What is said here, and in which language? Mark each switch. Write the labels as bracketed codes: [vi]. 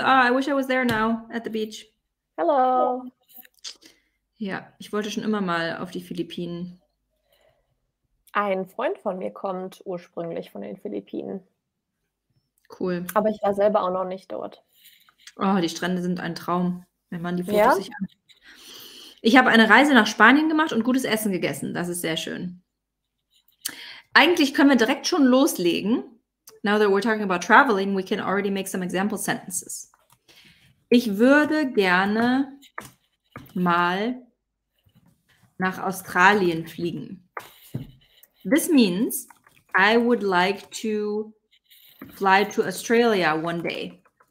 [en] Oh, I wish I was there now at the beach. Hello. [de] Ja, ich wollte schon immer mal auf die Philippinen. Ein Freund von mir kommt ursprünglich von den Philippinen. Cool. Aber ich war selber auch noch nicht dort. Oh, die Strände sind ein Traum, wenn man die Fotos sich anschaut. Ich habe eine Reise nach Spanien gemacht und gutes Essen gegessen. Das ist sehr schön. Eigentlich können wir direkt schon loslegen. [en] Now that we're talking about traveling, we can already make some example sentences. [de] Ich würde gerne mal nach Australien fliegen. [en] This means I would like to fly to Australia one day.